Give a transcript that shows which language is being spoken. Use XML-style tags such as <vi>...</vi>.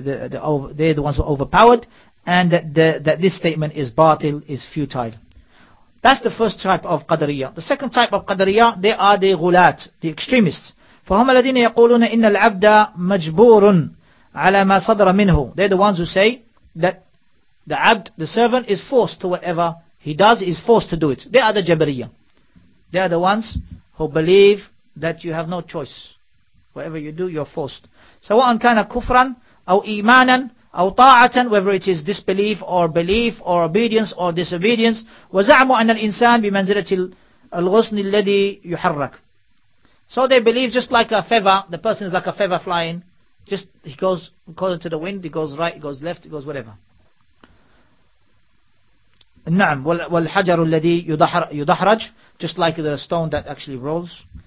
<en>They're the ones who overpowered, and that this statement is batil, is futile. That's the first type of qadariyah. The second type of qadariyah, they are the ghulat, the extremists.</en> <ar>فهم الذين يقولون إن العبد مجبور على ما صدر منه.</ar> <en>They're the ones who say that the abd, the servant, is forced to whatever he does, is forced to do it. They are the jabariyah. They are the ones who believe that you have no choice. Whatever you do, you're forced.</en> <ar>سواء كان كفرا أو إيمانا أو طاعة,</ar> <en>whether it is disbelief or belief or obedience or disobedience.</en> <ar>وزعموا أن الإنسان بمنزلة الغصن الذي يحرك.</ar> <en>So they believe just like a feather, the person is like a feather flying. Just he goes according to the wind, he goes right, he goes left, he goes whatever.</en> <ar>نعم والحجر الذي يدحرج,</ar> <en>just like the stone that actually rolls.</en>